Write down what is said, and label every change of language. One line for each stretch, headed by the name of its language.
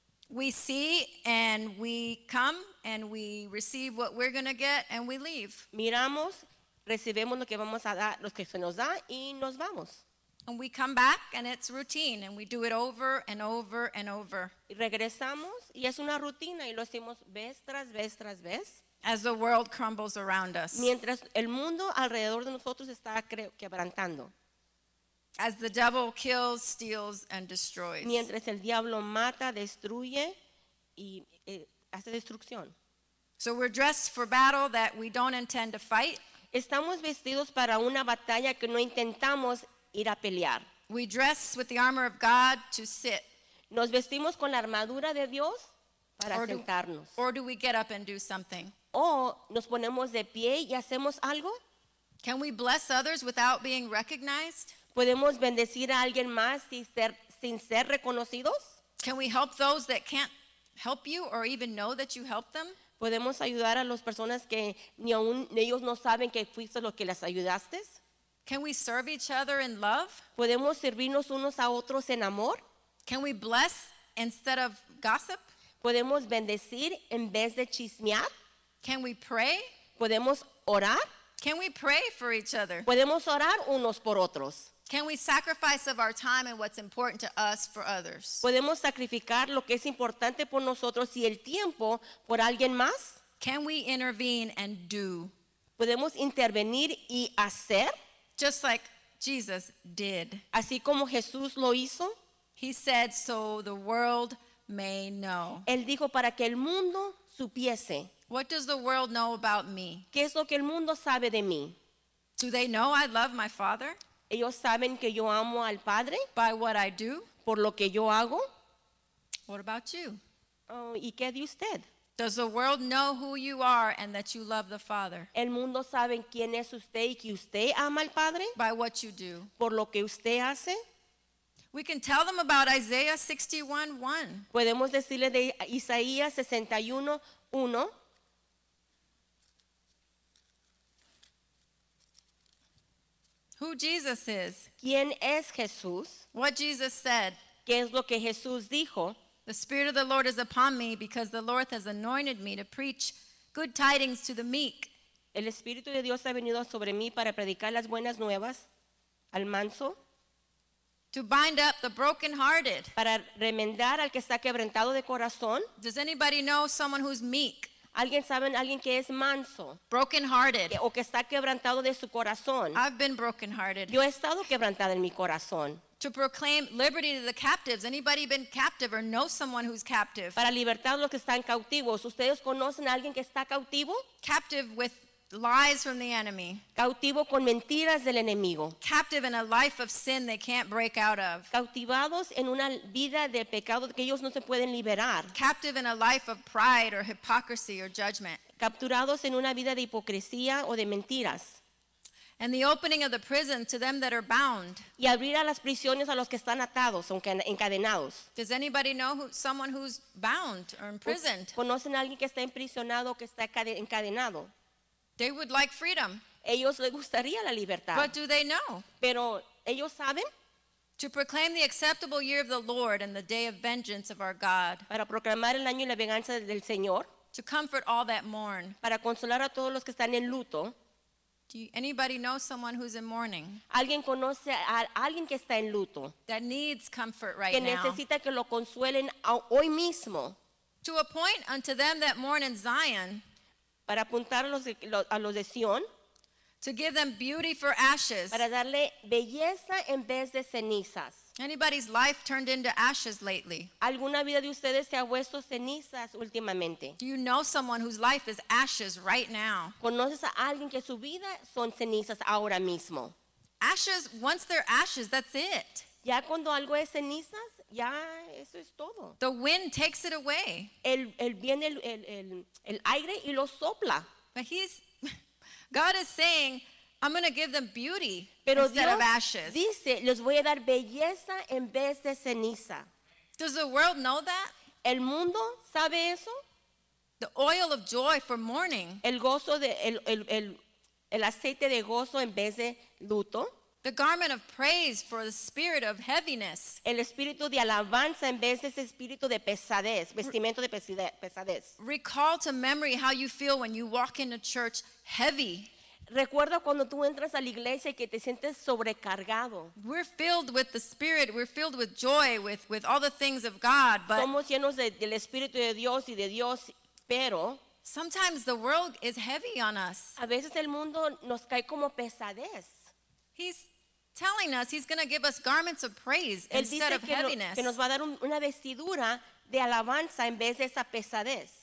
English: We see and we come and we receive what we're going to get and we leave.
Spanish: Miramos, recibimos lo que vamos a dar, lo que se nos da y nos vamos.
English: And we come back and it's routine and we do it over and over and over.
Spanish: Y regresamos y es una rutina y lo hacemos vez tras vez tras vez.
English: As the world crumbles around us.
Spanish: Mientras el mundo alrededor de nosotros está quebrantando.
English: As the devil kills, steals and destroys.
Spanish: Mientras el diablo mata, destruye y hace destrucción.
English: So we're dressed for battle that we don't intend to fight.
Spanish: Estamos vestidos para una batalla que no intentamos ir a pelear.
English: We dress with the armor of God to sit.
Spanish: Nos vestimos con la armadura de Dios para sentarnos.
English: Or do we get up and do something?
Spanish: O nos ponemos de pie y hacemos algo.
English: Can we bless others without being recognized?
Spanish: ¿Podemos bendecir a alguien más sin ser reconocidos?
English: Can we help those that can't help you or even know that you helped them?
Spanish: ¿Podemos ayudar a las personas que ni aun ellos no saben que fuiste lo que las ayudaste?
English: Can we serve each other in love?
Spanish: ¿Podemos servirnos unos a otros en amor?
English: Can we bless instead of gossip?
Spanish: ¿Podemos bendecir en vez de chismear?
English: Can we pray?
Spanish: ¿Podemos orar?
English: Can we pray for each other?
Spanish: ¿Podemos orar unos por otros?
English: Can we sacrifice of our time and what's important to us for others?
Spanish: ¿Podemos sacrificar lo que es importante por nosotros y el tiempo por alguien más?
English: Can we intervene and do?
Spanish: ¿Podemos intervenir y hacer?
English: Just like Jesus did.
Spanish: Así como Jesús lo hizo.
English: He said so the world may know.
Spanish: Él dijo para que el mundo supiese.
English: What does the world know about me?
Spanish: ¿Qué es lo que el mundo sabe de mí?
English: Do they know I love my Father?
Spanish: ¿Ellos saben que yo amo al Padre?
English: By what I do?
Spanish: ¿Por lo que yo hago?
English: What about you?
Spanish: ¿Y qué de usted?
English: Does the world know who you are and that you love the Father?
Spanish: ¿El mundo sabe quién es usted y que usted ama al Padre?
English: By what you do.
Spanish: ¿Por lo que usted hace?
English: We can tell them about Isaiah 61:1.
Spanish: Podemos decirle de Isaías 61:1.
English: Who Jesus is.
Spanish: ¿Quién es Jesús?
English: What Jesus said.
Spanish: ¿Qué es lo que Jesús dijo?
English: The Spirit of the Lord is upon me because the Lord has anointed me to preach good tidings to the meek.
Spanish: El Espíritu de Dios ha venido sobre mí para predicar las buenas nuevas al manso.
English: To bind up the brokenhearted.
Spanish: Para remendar al que está quebrantado de corazón.
English: Does anybody know someone who's meek?
Spanish: ¿Alguien sabe alguien que es manso?
English: Brokenhearted.
Spanish: O que está quebrantado de su corazón.
English: I've been brokenhearted.
Spanish: Yo he estado quebrantada en mi corazón.
English: To proclaim liberty to the captives. Anybody been captive or know someone who's captive?
Spanish: Para libertar a los que están cautivos. ¿Ustedes conocen a alguien que está cautivo?
English: Captive with lies from the enemy.
Spanish: Cautivo con mentiras del enemigo.
English: Captive in a life of sin they can't break out of.
Spanish: Cautivados en una vida de pecado que ellos no se pueden liberar.
English: Captive in a life of pride or hypocrisy or judgment.
Spanish: Capturados en una vida de hipocresía o de mentiras.
English: And the opening of the prison to them that are bound.
Spanish: Y abrir a las prisiones a los que están atados, aunque encadenados.
English: Does anybody know someone who's bound or imprisoned?
Spanish: ¿Conocen a alguien que está emprisionado o que está encadenado?
English: They would like freedom.
Spanish: Ellos les gustaría la libertad.
English: But do they know?
Spanish: Pero ellos saben.
English: To proclaim the acceptable year of the Lord and the day of vengeance of our God.
Spanish: Para proclamar el año y la venganza del Señor.
English: To comfort all that mourn.
Spanish: Para consolar a todos los que están en luto.
English: Do anybody know someone who's in mourning?
Spanish: ¿Alguien conoce a alguien que está en luto?
English: That needs comfort right now.
Spanish: Que necesita que lo consuelen hoy mismo.
English: To appoint unto them that mourn in Zion.
Spanish: Para apuntar a los de Sion.
English: To give them beauty for ashes.
Spanish: Para darle belleza en vez de cenizas.
English: Anybody's life turned into ashes lately?
Spanish: ¿Alguna vida de ustedes se ha vuelto cenizas últimamente?
English: Do you know someone whose life is ashes right now?
Spanish: ¿Conoces a alguien que su vida son cenizas ahora mismo?
English: Ashes, once they're ashes, that's it.
Spanish: Ya cuando algo es cenizas, ya eso es todo.
English: The wind takes it away.
Spanish: El aire y lo sopla.
English: But God is saying, I'm going to give them beauty instead of ashes.
Spanish: Dice, les voy a dar belleza en vez de ceniza.
English: Does the world know that?
Spanish: ¿El mundo sabe eso?
English: The oil of joy for mourning.
Spanish: El gozo de el aceite de gozo en vez de luto.
English: The garment of praise for the spirit of heaviness.
Spanish: El espíritu de alabanza en vez de ese espíritu de pesadez, vestimiento de pesadez.
English: Recall to memory how you feel when you walk into church heavy.
Spanish: Recuerda cuando tú entras a la iglesia y que te sientes sobrecargado.
English: We're filled with the Spirit, we're filled with joy, with all the things of God, but
Spanish: somos llenos del Espíritu de Dios y de Dios, pero
English: sometimes the world is heavy on us.
Spanish: A veces el mundo nos cae como pesadez.
English: He's telling us he's going to give us garments of praise instead of heaviness.
Spanish: Que nos va a dar una vestidura de alabanza en vez de esa pesadez.